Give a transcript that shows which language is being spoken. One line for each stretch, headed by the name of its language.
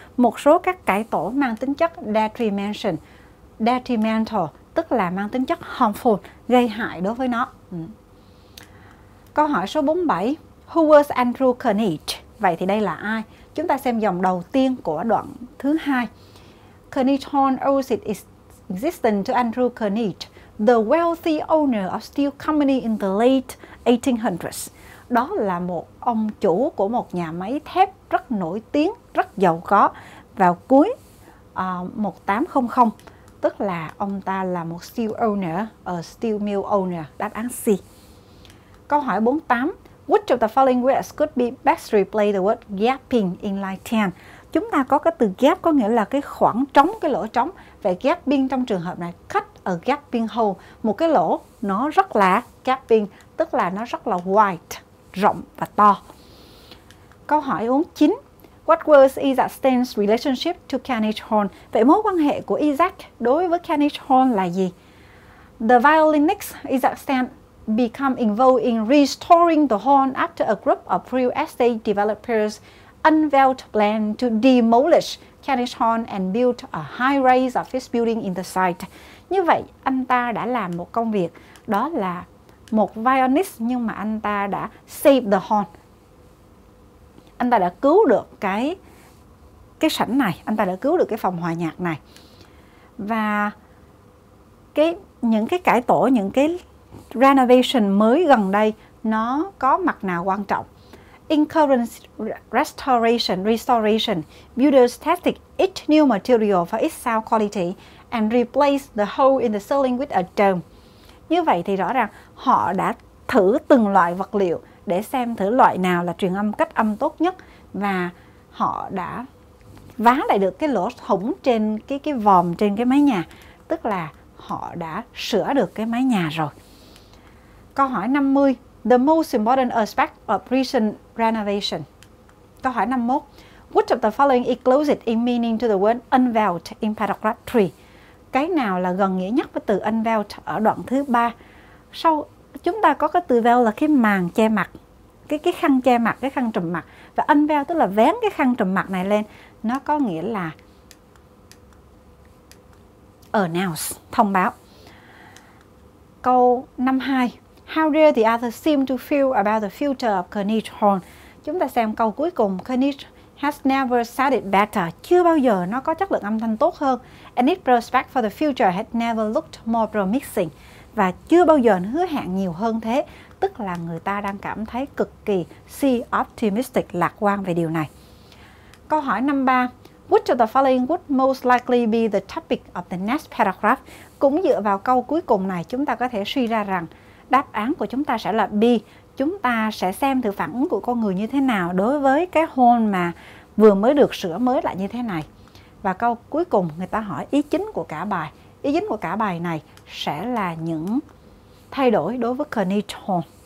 Vietnamese: Một số các cải tổ mang tính chất detrimental. Detrimental, tức là mang tính chất harmful, gây hại đối với nó. Câu hỏi số 47.
English: Who was Andrew Carnegie?
Vietnamese: Vậy thì đây là ai? Chúng ta xem dòng đầu tiên của đoạn thứ 2.
English: Carnegie Hall owes its existence to Andrew Carnegie, the wealthy owner of steel company in the late 1800s.
Vietnamese: Đó là một ông chủ của một nhà máy thép rất nổi tiếng, rất giàu có vào cuối 1800, tức là ông ta là một steel owner,
English: a steel mill owner,
Vietnamese: đáp án C. Câu hỏi 48.
English: Which of the following words could be best replace the word gaping in line 10?
Vietnamese: Chúng ta có cái từ gap có nghĩa là cái khoảng trống, cái lỗ trống. Vậy gaping trong trường hợp này,
English: cut a gaping hole,
Vietnamese: một cái lỗ nó rất là gaping, tức là nó rất là wide, rộng và to. Câu hỏi 49.
English: What was Isaac Stern's relationship to Carnegie Hall?
Vietnamese: Vậy mối quan hệ của Isaac đối với Carnegie Hall là gì?
English: The violinist Isaac Stern become involved in restoring the horn after a group of real estate developers unveiled plan to demolish Carnegie Hall and build a high-rise office building in the site.
Vietnamese: Như vậy, anh ta đã làm một công việc, đó là một violinist, nhưng mà anh ta đã
English: save the horn.
Vietnamese: Anh ta đã cứu được cái sảnh này, anh ta đã cứu được cái phòng hòa nhạc này. Và những cái renovation mới gần đây nó có mặt nào quan trọng?
English: In current restoration, builders tested each new material for its sound quality and replaced the hole in the ceiling with a dome.
Vietnamese: Như vậy thì rõ ràng họ đã thử từng loại vật liệu để xem thử loại nào là truyền âm cách âm tốt nhất, và họ đã vá lại được cái lỗ hổng trên cái vòm trên cái mái nhà, tức là họ đã sửa được cái mái nhà rồi. Câu hỏi 50.
English: The most important aspect of recent renovation.
Vietnamese: Câu hỏi 51.
English: Which of the following is closest in meaning to the word unveiled in paragraph 3?
Vietnamese: Cái nào là gần nghĩa nhất với từ unveiled ở đoạn thứ 3? Sau chúng ta có cái từ veil là cái màn che mặt, cái khăn che mặt, cái khăn trùm mặt. Và unveiled tức là vén cái khăn trùm mặt này lên. Nó có nghĩa là announce, thông báo. Câu 52.
English: How dare the others seem to feel about the future of Carnegie Hall?
Vietnamese: Chúng ta xem câu cuối cùng.
English: Carnegie has never sounded better.
Vietnamese: Chưa bao giờ nó có chất lượng âm thanh tốt hơn.
English: And its prospect for the future had never looked more promising.
Vietnamese: Và chưa bao giờ nó hứa hẹn nhiều hơn thế. Tức là người ta đang cảm thấy cực kỳ optimistic, lạc quan về điều này. Câu hỏi 53.
English: Which of the following would most likely be the topic of the next paragraph?
Vietnamese: Cũng dựa vào câu cuối cùng này, chúng ta có thể suy ra rằng đáp án của chúng ta sẽ là B. Chúng ta sẽ xem thử phản ứng của con người như thế nào đối với cái hole mà vừa mới được sửa mới lại như thế này. Và câu cuối cùng, người ta hỏi ý chính của cả bài. Ý chính của cả bài này sẽ là những thay đổi đối với Carnegie Hall.